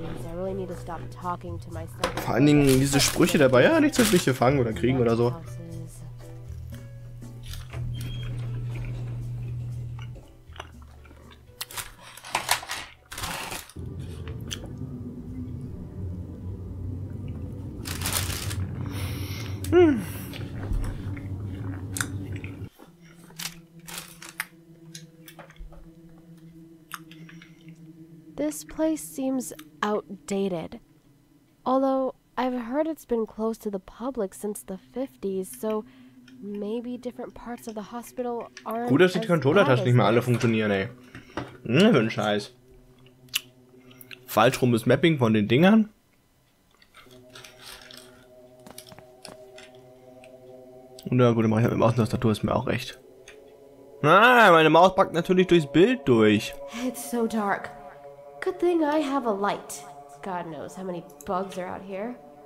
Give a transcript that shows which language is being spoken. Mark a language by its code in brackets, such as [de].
[en] I really need to stop talking to myself. [de] Vor allen Dingen diese Sprüche dabei, ja, nichts wird mich hier fangen oder kriegen oder so. [en] This place seems outdated. Although, I've heard it's been closed to the public since the 50s, so maybe different parts of the hospital aren't. [de] Gut, dass die Controller-Tasten nicht mehr alle funktionieren, ey. Für einen Scheiß. Falsch rum ist Mapping von den Dingern. Und ja, gut, dann mache ich mit der Maustastatur, ist mir auch recht. Ah, meine Maus packt natürlich durchs Bild durch. [en] It's so dark. Good thing I have a light. God knows how many bugs are out here.